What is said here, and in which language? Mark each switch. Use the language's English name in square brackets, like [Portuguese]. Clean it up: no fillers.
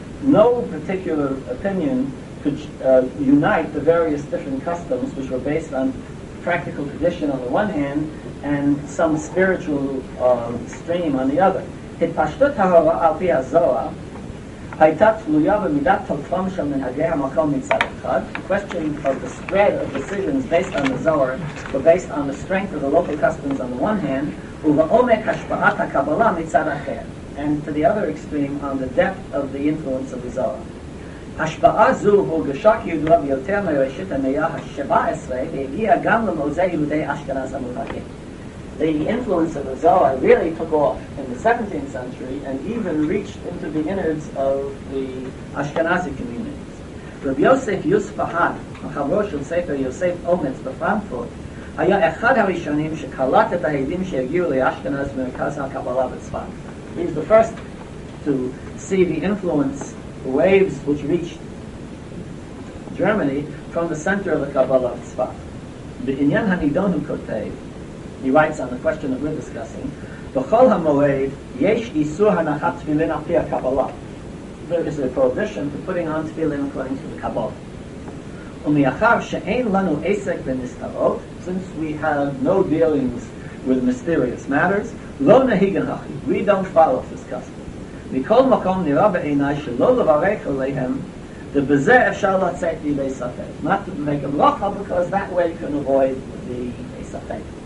[English] No particular opinion could unite the various different customs which were based on practical tradition on the one hand and some spiritual stream on the other. [Hebrew] התפשטות ההוראה על פי הזוהר הייתה תלויה במידת תוקפם של מנהגי המקום מצד אחד. [English] The question of the spread of decisions based on the Zohar were based on the strength of the local customs on the one hand, [Hebrew] ובעומק השפעת הקבלה מצד אחר, [English] and to the other extreme on the depth of the influence of the Zohar. [Hebrew] השפעה זו הורגשה כידוע ביותר מראשית המאה ה-17 והגיעה גם למוזי יהודי אשכנז המובהקים. [English] The influence of the Zohar really took off in the 17th century and even reached into the innards of the Ashkenazi communities. [Hebrew] Rabbi Yosef Yusuf Ahad, Machavro Shul Sefer Yosef Omitz Befrankfurt, היה אחד הראשונים שקלט את ההדים שהגיעו לאשכנז מרכז הקבלה בצפן. [English] He was the first to see the influence waves which reached Germany from the center of the Kabbalah Tzfat. [Hebrew] B'inyan ha-nidonu kotev, [English] he writes on the question that we're discussing, [Hebrew] b'chol ha-moed yesh isur ha-nachat tefillin al-pi ha-kabbalah. [English] There is a prohibition to putting on tefillin according to the Kabbalah. [Hebrew] U'miachar she'ein lanu esek b'nistarot, [English] since we have no dealings with mysterious matters, [Hebrew] lo nehigen hachi, [English] we don't follow this custom. [Hebrew] מכל מקום נראה בעיניי שלא לברך עליהם, ובזה אפשר לצאת מידי ספק. [English] Not to make a ברכה, because that way you can avoid the ספק.